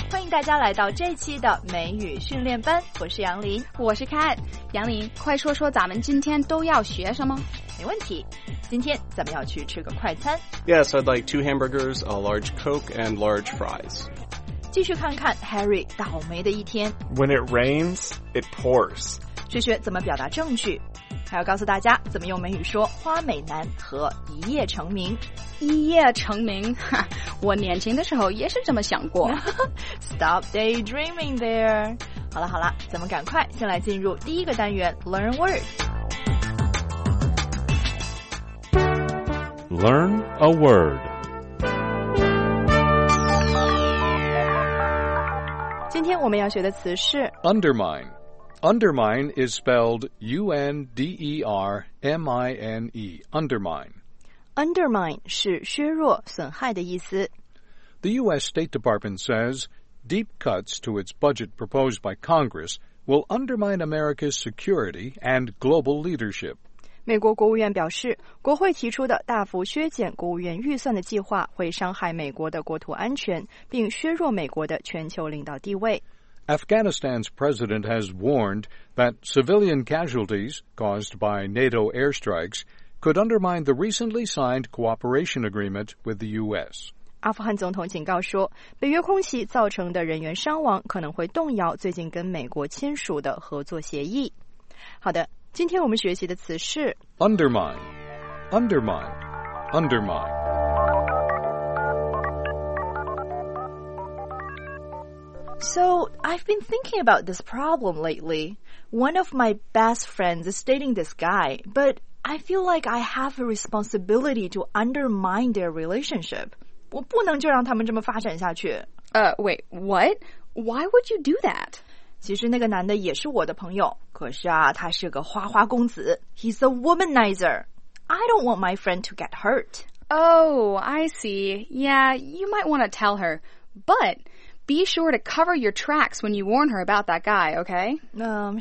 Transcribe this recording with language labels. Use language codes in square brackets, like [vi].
[zh] 大家来到这期的美语训练班，我是杨林。我是凯。杨林，快说说咱们今天都要学什么。没问题，今天咱们要去吃个快餐。 [en] Yes, I'd like 2 hamburgers, a large Coke and large fries. [zh] 继续看看 Harry 倒霉的一天。 [en] When it rains, it pours. [zh] 去学怎么表达证据，还要告诉大家怎么用美语说花美男和一夜成名。一夜成名，我年轻的时候也是这么想过。 [en] Stop daydreaming there. [zh] 好了好了，咱们赶快先来进入第一个单元 Learn Word。 [en] Learn a word. [zh] 今天我们要学的词是 [en] undermine. Undermine is spelled U-N-D-E-R-M-I-N-E. Undermine. [zh] Undermine 是削弱、损害的意思。 [en] The U.S. State Department says deep cuts to its budget proposed by Congress will undermine America's security and global leadership. [zh] 美国国务院表示，国会提出的大幅削减国务院预算的计划会伤害美国的国土安全，并削弱美国的全球领导地位。 [en] Afghanistan's president has warned that civilian casualties caused by NATO airstrikes could undermine the recently signed cooperation agreement with the U.S. [zh] 阿富汗总统警告说，北约空袭造成的人员伤亡可能会动摇最近跟美国签署的合作协议。好的。今天我们学习的词是 [en] undermine, undermine, undermine. So, I've been thinking about this problem lately. One of my best friends is dating this guy, but I feel like I have a responsibility to undermine their relationship. [zh] 我不能就让他们这么发展下去。 [en] Wait, what? Why would you do that? [zh] 其实那个男的也是我的朋友，可是啊，他是个花花公子。 [en] He's a womanizer. I don't want my friend to get hurt. Oh, I see. Yeah, you might want to tell her. But be sure to cover your tracks when you warn her about that guy, okay?